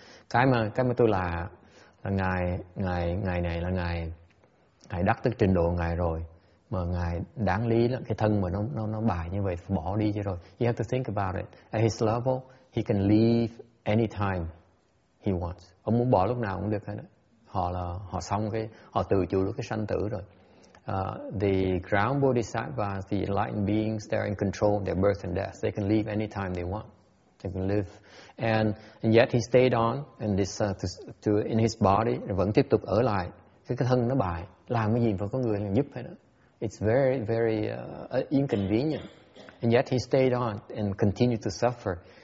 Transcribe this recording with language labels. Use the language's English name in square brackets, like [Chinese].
[Vietnamese] Cái mà tôi là ngài này là ngài đắc tức trình độ ngài rồi. Mà ngài đáng lý là cái thân mà nó bại như vậy bỏ đi chứ rồi. [English] You have to think about it. At his level, he can leave anytime he wants. [Vietnamese] Ông muốn bỏ lúc nào cũng được hết. Họ từ chối được cái sanh tử rồi. [English] The ground bodhisattvas, the enlightened beings, they're in control of their birth and death. They can leave anytime they want. They can live. And yet he stayed on in this in his body, [Vietnamese] vẫn tiếp tục ở lại. Cái thân nó bại, làm cái gì mà có người giúp hết đó. [English] It's very, very inconvenient. And yet he stayed on and continued to suffer.